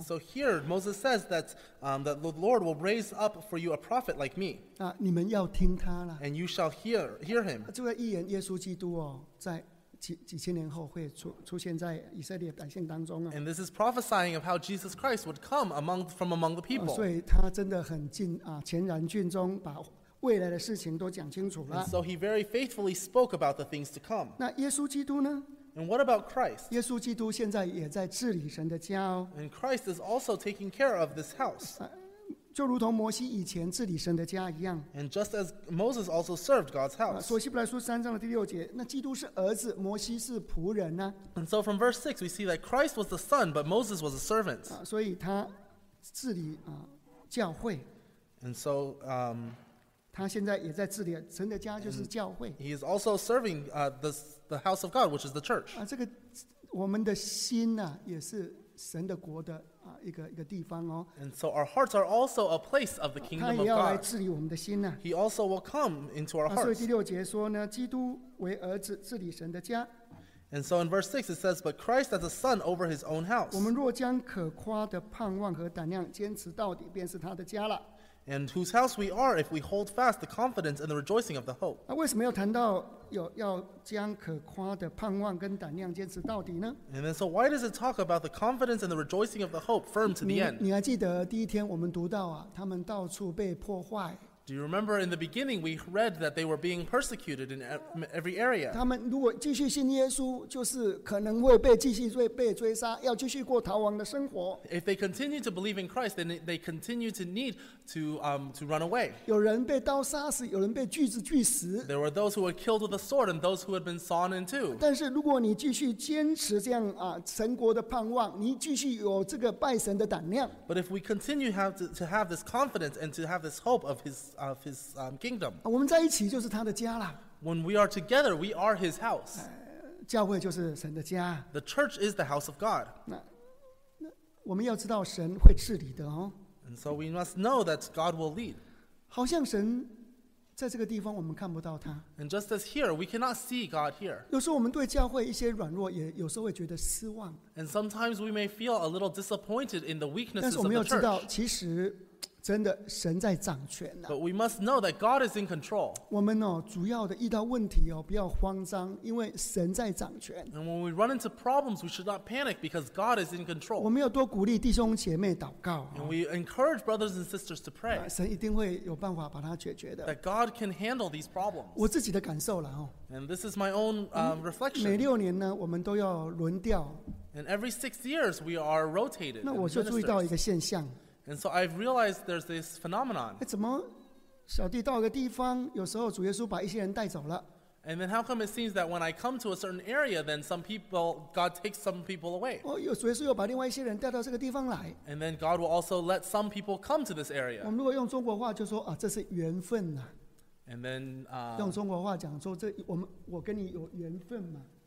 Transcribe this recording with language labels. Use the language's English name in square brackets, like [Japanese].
[English] So here Moses says that that the Lord will raise up for you a prophet like me. [Chinese] 啊，你们要听他了。 [English] And you shall hear him. [Chinese] 这个预言耶稣基督哦，在几千年后会出现在以色列百姓当中啊。 [English] And this is prophesying of how Jesus Christ would come among the people.、 [Chinese] 所以他真的很全然尽忠把。未来的事情都讲清楚了。 [English] So he very faithfully spoke about the things to come. [Chinese] 那耶稣基督呢 [English] ？And what about Christ? [Chinese] 耶稣基督现在也在治理神的家哦。 [English] And Christ is also taking care of this house. [Chinese] 就如同摩西以前治理神的家一样。 [English] And just as Moses also served God's house. [Chinese] 所以希伯来书三章的第六节，那基督是儿子，摩西是仆人呢 [English] ？And so from verse 6 we see that Christ was the son, but Moses was a servant. [Chinese] 所以他治理教会。 [English] And so [Chinese] 他现在也在治理神的家，就是教会。 [English] He is also serving the house of God, which is the church. [Chinese] 啊，这个我们的心呢、啊，也是神的国的啊一个一个地方哦。 [English] And so our hearts are also a place of the kingdom of God. [Chinese] 他也要来治理我们的心呢。 [English] He also will come into our hearts. [Chinese] 所以第六节说呢，基督为儿子治理神的家。 [English] And so in verse 6 it says, but Christ as a son over his own house. [Chinese] 我们若将可夸的盼望和胆量坚持到底，便是他的家了。 [English] And whose house we are, if we hold fast the confidence and the rejoicing of the hope. [Chinese] 那为什么要谈到有要将可夸的盼望跟胆量坚持到底呢？ [English] And then, so why does it talk about the confidence and the rejoicing of the hope firm to the end? [Chinese] 你还记得第一天我们读到啊，他们到处被破坏。 [English] Do you remember in the beginning we read that they were being persecuted in every area? [Chinese] 他们如果继续信耶稣，就是可能会被继续被追杀，要继续过逃亡的生活。 [English] If they continue to believe in Christ, then they continue to need to run away. [Chinese] 有人被刀杀死，有人被锯子锯死。 [English] There were those who were killed with a sword and those who had been sawn in two. [Chinese] 但是如果你继续坚持这样啊，神国的盼望，你继续有这个拜神的胆量。 [English] But if we continue to have this confidence and to have this hope of his kingdom. [Chinese] 我们在一起就是他的家了。 [English] When we are together, we are his house. [Chinese] 教会就是神的家。 [English] The church is the house of God. [Chinese] 那我们要知道神会治理的哦。 [English] And so we must know that God will lead. [Chinese] 好像神在这个地方我们看不到他。 [English] And just as here, we cannot see God here. [Chinese] 有时候我们对教会一些软弱，也有时候会觉得失望。 [English] And sometimes we may feel a little disappointed in the weaknesses of the church. [Chinese] 但是我们要知道，其实真的神在掌权啊。 [English] But we must know that God is in control. [Chinese] 我们哦，主要的遇到问题哦，不要慌张，因为神在掌权。 [English] And when we run into problems, we should not panic because God is in control. [Chinese] 我们要多鼓励弟兄姐妹祷告。 [English] And we encourage brothers and sisters to pray. [Chinese] 神一定会有办法把它解决的。 [English] That God can handle these problems. [Chinese] 我自己的感受了哦。 [English] And this is my own reflection. [Chinese] 每六年呢，我们都要轮调。 [English] And every 6 years, we are rotated. [Chinese] 那我就注意到一个现象。 [English] And so I've realized there's this phenomenon. [Chinese] 怎么小弟到一个地方，有时候主耶稣把一些人带走了。 [English] And then how come it seems that when I come to a certain area, then God takes some people away. [Chinese] 主耶稣又把另外一些人带到这个地方来。 [English] And then God will also let some people come to this area. [Chinese] 我们如果用中国话就说啊，这是缘分呐。 [English] And then [Chinese] 用中国话讲说这我跟你有缘分嘛。